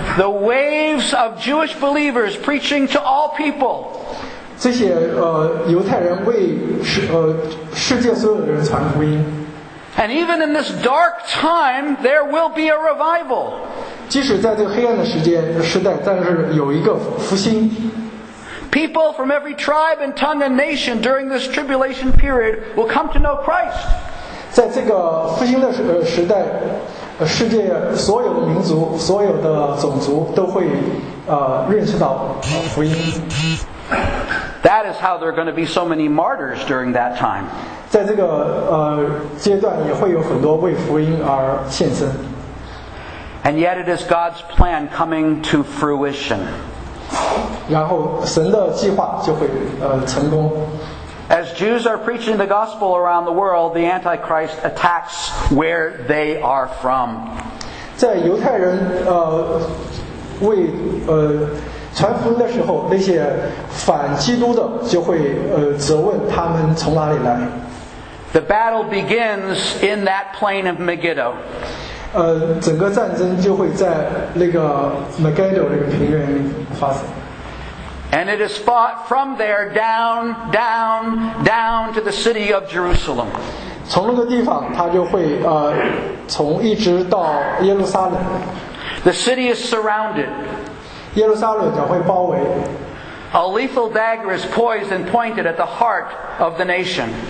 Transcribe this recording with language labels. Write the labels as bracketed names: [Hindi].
[English] The waves of Jewish believers preaching to all people. [Chinese] 这些犹太人为世界所有的人传福音。 [English] And even in this dark time, there will be a revival. [Chinese] 即使在这个黑暗的时代，但是有一个复兴。 [English] People from every tribe and tongue and nation during this tribulation period will come to know Christ. [Chinese] 在这个复兴的时代，世界所有民族、所有的种族都会认识到福音。 [English] That is how there are going to be so many martyrs during that time. [Chinese] 在这个阶段，也会有很多为福音而献身。 [English] And yet, it is God's plan coming to fruition. [Chinese] 然后神的计划就会成功。 [English] As Jews are preaching the gospel around the world, the Antichrist attacks where they are from. [Chinese] 在犹太人为传福音的时候，那些反基督的就会责问他们从哪里来。 [English] The battle begins in that plain of Megiddo. [Chinese] 整个战争就会在那个 Megiddo 那个平原里发生。 [English] And it is fought from there down, down, down to the city of Jerusalem. [Chinese] 从那个地方，他就会从一直到耶路撒冷。 [English] The city is surrounded. [Chinese] 耶路撒冷将会包围。 [English] A lethal dagger is poised and pointed at the heart of the nation.